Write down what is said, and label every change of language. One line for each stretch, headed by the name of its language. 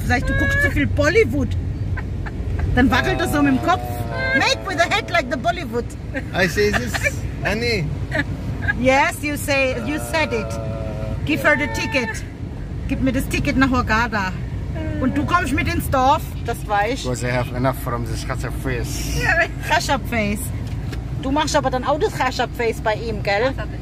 German: Sag ich, du guckst zu viel Bollywood. Dann wackelt er so mit dem Kopf.
English: Make with a head like the Bollywood. I say this, Annie. Yes, you said it. Give her the ticket.
German: Gib mir das Ticket nach Hurghada. Und du kommst mit ins Dorf, das weiß ich.
English: Because I have enough from this Khashab Face. Khashab Face.
German: Du machst aber dann auch das Khashab Face bei ihm, gell?